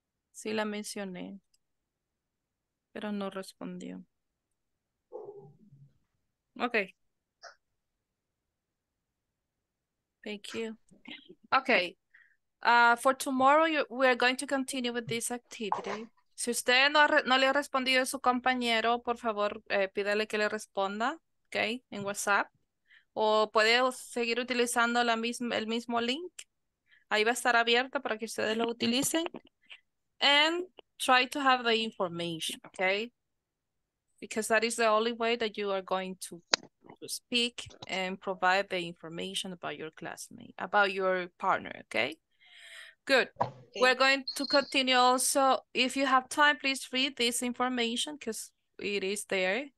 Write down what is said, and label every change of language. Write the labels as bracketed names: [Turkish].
[Spanish] Sí, la mencioné, pero no respondió. [English] Okay. Thank you. Okay. For tomorrow, we are going to continue with this activity. [Spanish] Si usted no le ha respondido a su compañero, por favor, pídale que le responda, okay, en WhatsApp. O puede seguir utilizando el mismo link. Ahí va a estar abierto para que ustedes lo utilicen. [English] And try to have the information, okay? Because that is the only way that you are going to speak and provide the information about your classmate, about your partner, okay? Good. Okay. We're going to continue also. If you have time, please read this information because it is there.